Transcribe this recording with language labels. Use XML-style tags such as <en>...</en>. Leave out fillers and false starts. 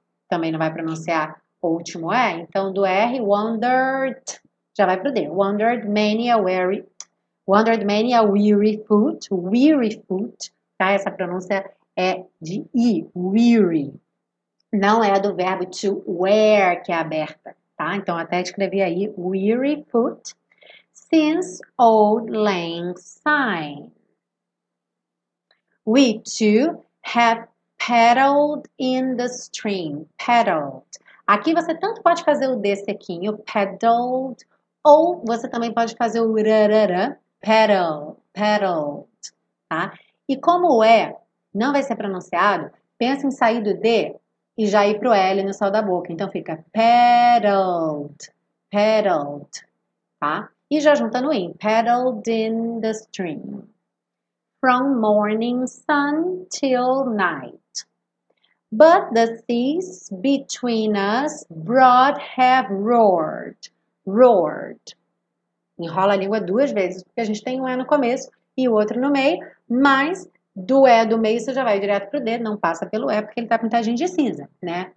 <pt>Também não vai pronunciar o último E. Então, do R, wandered. Já vai pro D.</pt> <en>Wandered many a weary. Wandered many a weary foot.</en> <pt>Weary foot. Tá? Essa pronúncia é de I. Weary. Não é do verbo to wear que é aberta. Tá? Então, até escrevi aí.</pt> <en>Weary foot. Since auld lang syne. We too have paddled in the stream. Paddled.</en> <pt>Aqui você tanto pode fazer o D sequinho, paddled, ou você também pode fazer o rarara, paddle, paddled, tá? E como o E não vai ser pronunciado, pensa em sair do D e já ir pro L no sol da boca. Então fica paddled, paddled, tá? E já junta no in,</pt> <en>paddled in the stream. From morning sun till night. But the seas between us broad have roared, roared.</en> <pt>Enrola a língua duas vezes, porque a gente tem um E no começo e o outro no meio, mas do E do meio você já vai direto pro D, não passa pelo E, porque ele tá pintadinho de cinza, né?</pt>